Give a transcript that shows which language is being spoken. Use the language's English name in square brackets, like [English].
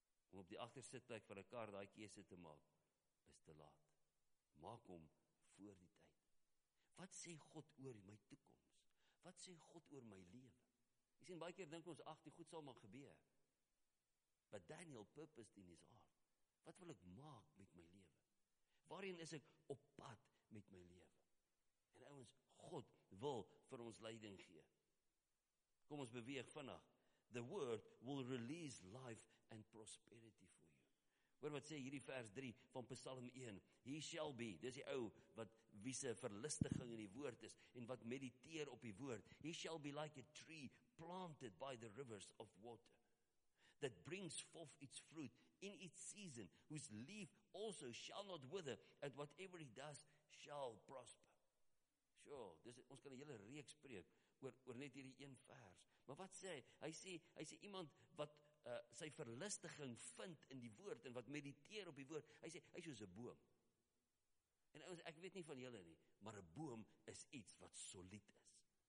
[Afrikaans] Om op die agtersitplek van 'n kar daai keuse te maak, is te laat. Maak hom voor die tyd. Wat sê God oor my toekoms? Wat sê God oor my lewe? Jy sien, baie keer dink ons, ag, die goed sal maar gebeur. [English] Wat Daniel purposed in his heart. [Afrikaans] Wat wil ek maak met my lewe? Waarin is ek op pad met my lewe? En ouens, God wil vir ons leiding gee. Kom ons beweeg vinnig. [English] The word will release life and prosperity for you. [Afrikaans] Hoor wat sê hierdie vers 3 van Psalm 1. [English] He shall be, [Afrikaans] dis die ou wat wie se verlustiging in die woord is en wat mediteer op die woord. [English] He shall be like a tree planted by the rivers of water. That brings forth its fruit in its season, whose leaf also shall not wither, and whatever he does shall prosper. [Afrikaans] Sure, dis, ons kan 'n hele reeks preek oor net hierdie een vers. Maar wat sê hy? Hy sê iemand wat sy verlustiging vind in die woord, en wat mediteer op die woord, hy sê, hy is soos 'n boom. En ons, ek weet nie van julle nie, maar 'n boom is iets wat solied is.